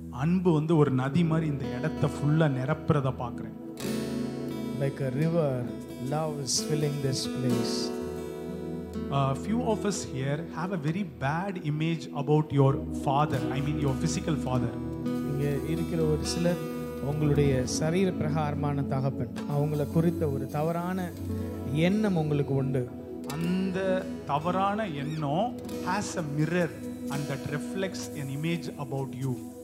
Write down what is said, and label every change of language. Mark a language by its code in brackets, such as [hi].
[ta] அன்பு வந்து ஒரு நதி மாதிரி இந்த இடத்தை ஃபுல்லா நிரப்புறத பாக்குறேன். [en] Like a river, love is filling this place. A few of us here have a very bad image about your father, I mean your physical father. [ta] இங்க இருக்கிற ஒரு சிலர் உங்களுடைய சரீர பிரகாரமான தகப்பன் அவங்கள குறித்த ஒரு தவறான எண்ணம் உங்களுக்கு உண்டு. அந்த தவறான எண்ணம் [en] has a mirror and that reflects an image about you.